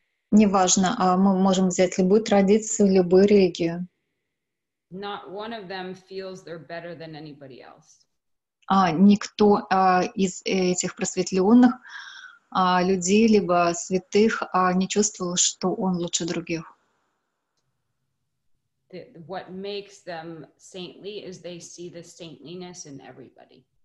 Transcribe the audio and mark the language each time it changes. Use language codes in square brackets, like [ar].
[ru] Неважно, мы можем взять любую традицию, любую религию. [en] Not one of them feels they're better than anybody else. [ru] Никто из этих просветленных людей, либо святых, не чувствовал, что он лучше других. [en] What makes them saintly is they see the saintliness in everybody.